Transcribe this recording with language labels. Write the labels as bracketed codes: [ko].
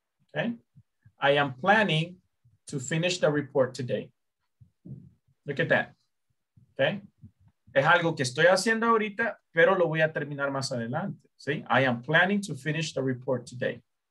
[en] Okay, I am planning to finish the report today. Look at that. [es] Okay, es algo que estoy haciendo ahorita, pero lo voy a terminar más adelante. [en] See, I am planning to finish the report today.